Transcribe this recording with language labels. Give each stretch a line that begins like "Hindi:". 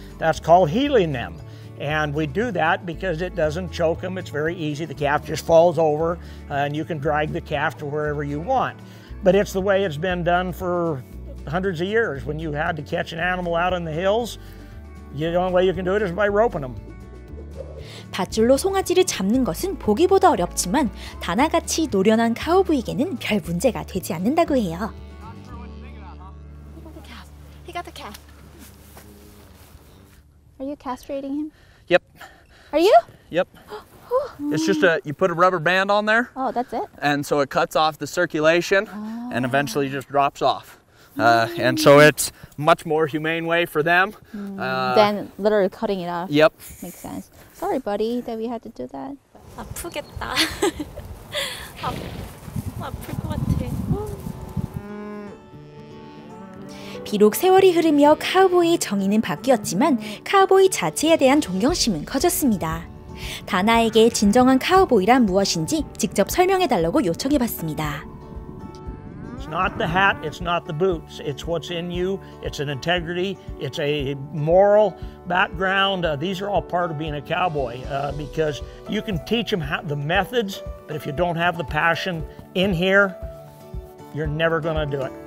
English: That's called heeling them. And we do that because it doesn't choke them. It's very easy. The calf just falls over, and you can drag the calf to wherever you want. But it's the way it's been done for hundreds of years. When you had to catch an animal out in the hills, the only way you can do it is by roping them.
Korean: 밧줄로 송아지를 잡는 것은 보기보다 어렵지만 단아같이 노련한 카우보이에게는 별 문제가 되지 않는다고 해요.
English: He got the calf. Are you castrating him? Yep. Are you? Yep. It's just you put a rubber band on there. Oh, that's it? And so it cuts off the circulation and eventually just drops off. And so it's much more humane way for them. Than literally cutting it off. Yep. Makes sense. Sorry, buddy, that we had to do that.
Korean: 아프겠다. 아플 것 같아. 비록 세월이 흐르며 카우보이의 정의는 바뀌었지만 카우보이 자체에 대한 존경심은 커졌습니다. 다나에게 진정한 카우보이란 무엇인지 직접 설명해 달라고 요청해 봤습니다.
English: It's not the hat, it's not the boots. It's what's in you. It's an integrity, it's a moral background. These are all part of being a cowboy because you can teach them the methods, but if you don't have the passion in here, you're never going to do it.